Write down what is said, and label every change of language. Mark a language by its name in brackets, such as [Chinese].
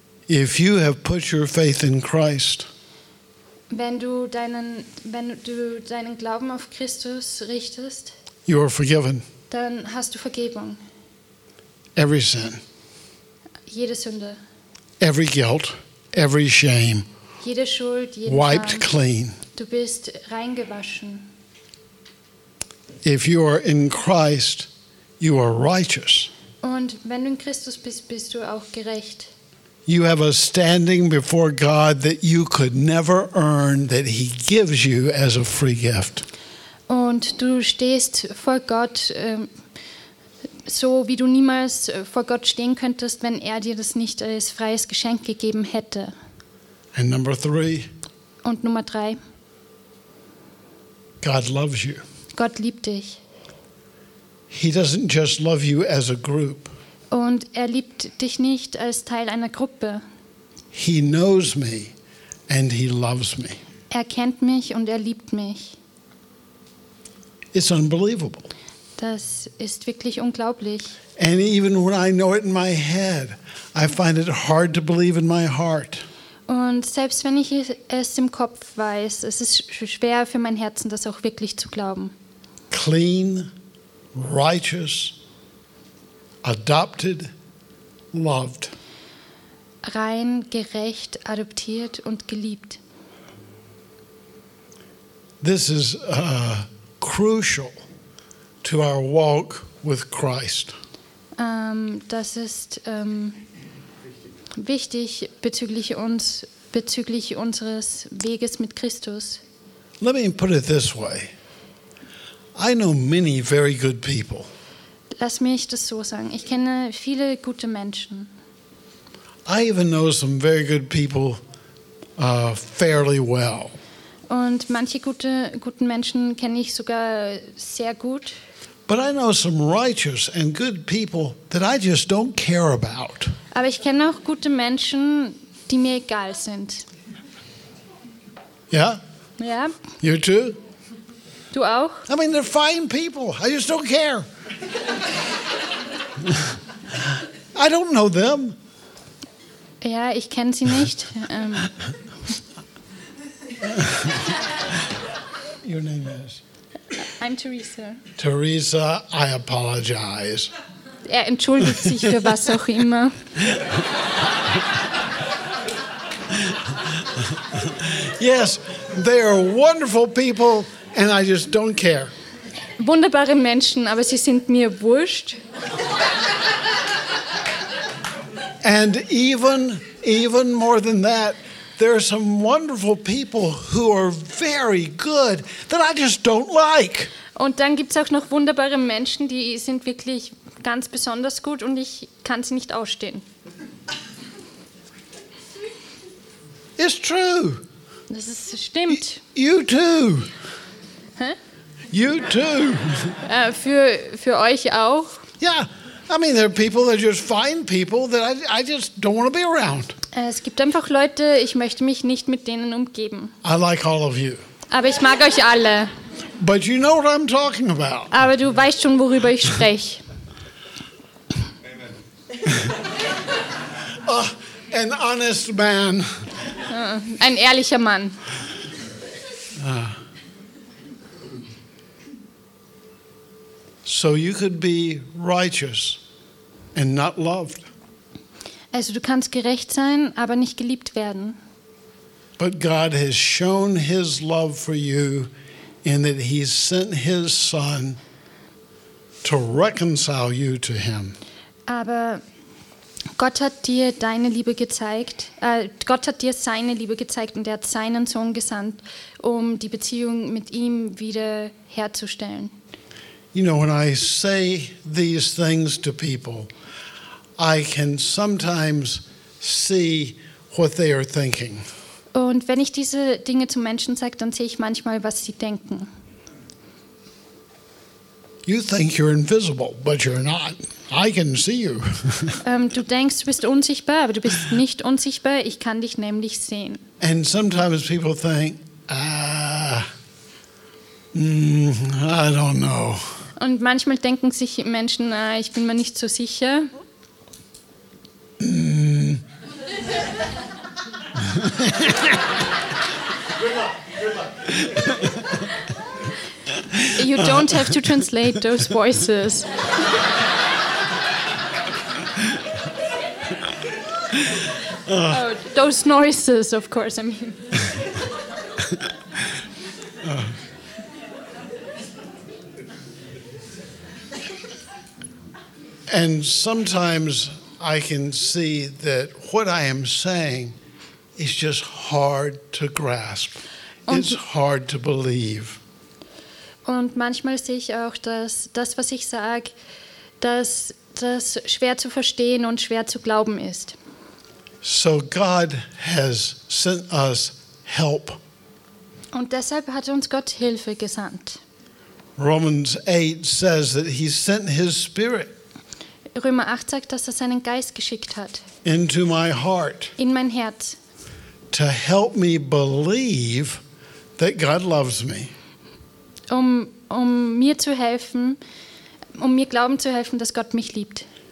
[English] If you have put your faith in Christ, [German] wenn du deinen Glauben auf Christus richtest, [English] you are forgiven. [German] Dann hast du Vergebung. [English] Every sin. [German] Jede Sünde. [English] Every guilt, every shame. [German] Jede Schuld, jeden [English] wiped [German] Scham. [English] Clean. [German] Du bist reingewaschen. [English] If you are in Christ, you are righteous. [German] Und wenn du in Christus bist, bist du auch gerecht. [English] You have a standing before God that you could never earn, that he gives you as a free gift. [German] Und du stehst vor Gott so, wie du niemals vor Gott stehen könntest, wenn er dir das nicht als freies Geschenk gegeben hätte. [English] And number three, [German] und Nummer drei. [English] God loves you. [German] Gott liebt dich. [English] He doesn't just love you as a group. [German] Und er liebt dich nicht als Teil einer Gruppe. [English] He knows me and he loves me. [German] Er kennt mich und er liebt mich. [English] It's unbelievable. [German] Das ist wirklich unglaublich. [English] And even when I know it in my head, I find it hard to believe in my heart. [German] Und selbst wenn ich es im Kopf weiß, es ist schwer für mein Herzen, das auch wirklich zu glauben. [English] Clean, righteous, adopted, loved. [German] Rein, gerecht, adoptiert und geliebt. [English] This is crucial to our walk with Christ. [German] Das ist wichtig bezüglich unseres Weges mit Christus. [English] Let me put it this way. I know many very good people. [German] Lass mich das so sagen. Ich kenne viele gute Menschen. [English] I even know some very good people fairly well. [German] Und manche guten Menschen kenne ich sogar sehr gut. [English] But I know some righteous and good people that I just don't care about. [German] Aber ich kenne auch gute Menschen, die mir egal sind. [English] Yeah? Yeah. You too? [German] Du auch? [English] I mean, they're fine people. I just don't care. I don't know them. [German] Ja, ich kenne sie nicht. [English] Your name is? I'm Teresa. Teresa, I apologize. [German] Er entschuldigt sich für was auch immer. [English] Yes, they are wonderful people and I just don't care. [German] Wunderbare Menschen, aber sie sind mir wurscht. [English] And even more than that, there are some wonderful people who are very good that I just don't like. [German] Und dann gibt's auch noch wunderbare Menschen, die sind wirklich ganz besonders gut und ich kann sie nicht ausstehen. [English] It's true. [German] Das ist, stimmt. [English] You too. Hä? You too. [German] Für euch auch. [English] Yeah. I mean, there are people that are just fine people that I just don't want to be around. [German] Es gibt einfach Leute, ich möchte mich nicht mit denen umgeben. [English] I like all of you. [German] Aber ich mag euch alle. [English] But you know what I'm talking about. [German] Aber du weißt schon, worüber ich spreche. [English] Amen. an honest man. [German] Ein ehrlicher Mann. [English] So you could be righteous and not loved. [German] Also du kannst gerecht sein, aber nicht geliebt werden. [English] But God has shown his love for you in that he sent his son to reconcile you to him. [German] Aber Gott hat dir deine Liebe gezeigt. Gott hat dir seine Liebe gezeigt und er hat seinen Sohn gesandt, um die Beziehung mit ihm wieder herzustellen. [English] You know, when I say these things to people, I can sometimes see what they are thinking. [German] Und wenn ich diese Dinge zu Menschen sage, dann sehe ich manchmal, was sie denken. [English] You think you're invisible, but you're not. I can see you. [German] Du denkst, du bist unsichtbar, aber du bist nicht unsichtbar. Ich kann dich nämlich sehen. [English] And sometimes people think, I don't know. [German] Und manchmal denken sich Menschen, ich bin mir nicht so sicher. [English] You don't have to translate those voices. Those noises, of course, I mean. And sometimes I can see that what I am saying is just hard to grasp. It's hard to believe. [German] Und manchmal sehe ich auch, dass das, was ich sage, dass das schwer zu verstehen und schwer zu glauben ist. [English] So God has sent us help. [German] Und deshalb hat uns Gott Hilfe gesandt. [English] Romans 8 says that he sent his spirit. [German] Römer 8 sagt, dass er seinen Geist geschickt hat. [English] Into my heart. [German] In mein Herz. [English] To help me believe that God loves me. [German] Um mir zu helfen, um mir glauben zu helfen, dass Gott mich liebt.